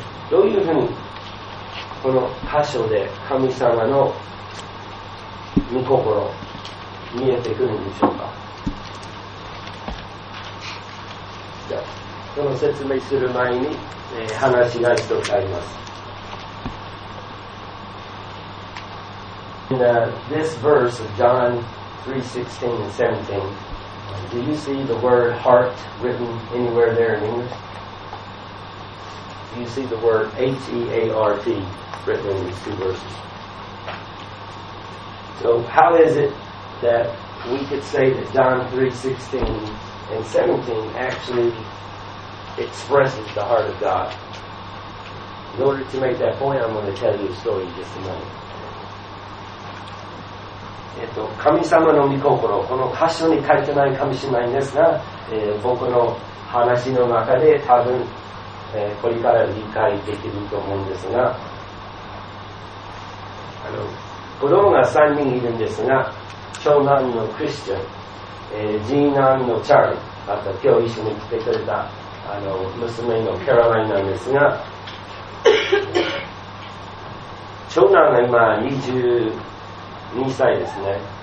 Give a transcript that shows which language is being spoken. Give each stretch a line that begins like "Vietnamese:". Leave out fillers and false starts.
Japanese: どういうふうにこの箇所で神様の御心見えてくるんでしょうか？じゃあこの説明する前に、話が一つあります。
English: In this verse of John 3:16 and 17, do you see the word heart written anywhere there in English? Do you see the word H-E-A-R-T written in these two verses? So how is it that we could say that John 3:16 and 17 actually expresses the heart of God? In order to make that point, I'm going to tell you a story in just a moment.
Japanese: 神様の御心、この箇所に書いてないかもしれないんですが、僕の話の中で多分、これから理解できると思うんですが、子供が3人いるんですが、長男のクリスチャン、次男のチャーリー、あと今日一緒に来てくれた娘のカロラインなんですが、長男が今22歳ですね。